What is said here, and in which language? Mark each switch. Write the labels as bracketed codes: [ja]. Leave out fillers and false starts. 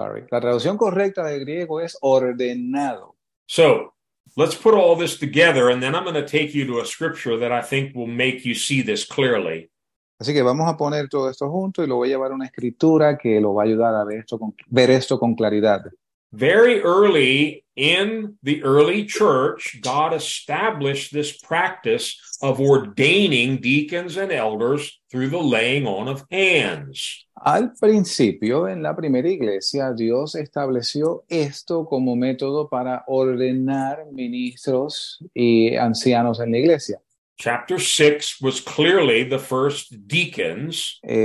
[es] La traducción correcta del griego es ordenado. [en] So, let's put all this together, and then I'm going to take you to a scripture that I think will make you see this clearly. [es] Así que vamos a poner todo esto junto y lo voy a llevar a una escritura que lo va a ayudar a ver esto con claridad. [en] Very early in the early church, God established this practice of ordaining deacons and elders through the laying on of hands. [es] Al principio, en la primera iglesia, Dios estableció esto como método para ordenar ministros y ancianos en la iglesia. [en] Chapter 6 was clearly the first deacons.